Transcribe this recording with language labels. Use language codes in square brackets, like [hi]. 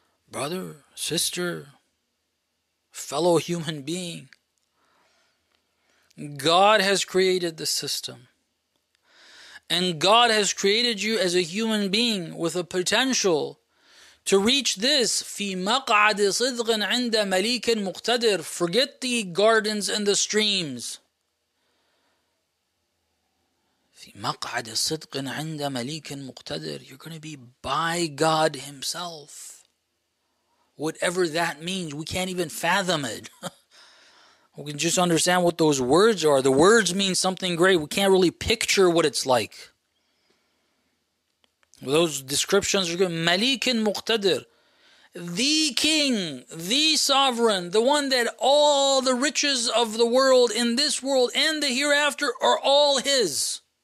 [en] Brother, sister, fellow human being, God has created the system. And God has created you as a human being with a potential to reach this. [ar] في مقعد صدق عند مليك مقتدر. [en] Forget the gardens and the streams. [ar] في مقعد صدق عند مليك مقتدر. [en] You're going to be by God Himself. Whatever that means, we can't even fathom it. We can just understand what those words are. The words mean something great. We can't really picture what it's like. Those descriptions are good. Malikin Muqtadir. The king, the sovereign, the one that all the riches of the world in this world and the hereafter are all his.